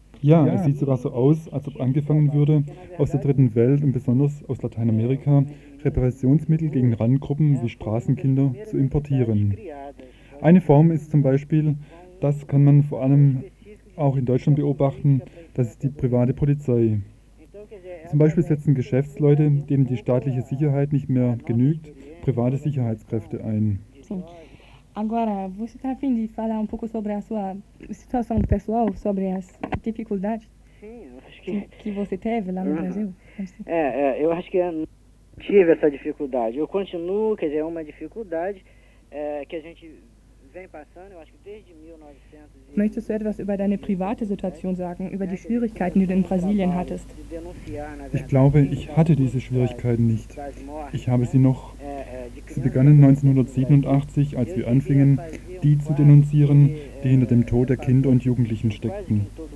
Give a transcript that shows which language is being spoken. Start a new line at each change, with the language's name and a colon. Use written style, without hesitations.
German: Ja, es sieht sogar so aus, als ob angefangen würde, aus der dritten Welt und besonders aus Lateinamerika Repressionsmittel gegen Randgruppen wie Straßenkinder zu importieren. Eine Form ist zum Beispiel, das kann man vor allem auch in Deutschland beobachten, das ist die private Polizei. Zum Beispiel setzen Geschäftsleute, denen die staatliche Sicherheit nicht mehr genügt, private Sicherheitskräfte ein.
Portuguese: Sim. Agora, você está a fim de falar um pouco sobre a sua situação pessoal, sobre as dificuldades? Sim, que você teve lá no Brasil? Eu acho que eu tive essa dificuldade. Eu continuo, quer dizer, é uma dificuldade que a gente vem passando, eu acho que desde 1900.
German: Möchtest du etwas über deine private Situation sagen, über die Schwierigkeiten, die du in Brasilien hattest? Ich glaube, ich hatte diese Schwierigkeiten nicht. Ich habe sie noch. Sie begannen 1987, als wir anfingen, die zu denunzieren, die hinter dem Tod der Kinder und Jugendlichen steckten.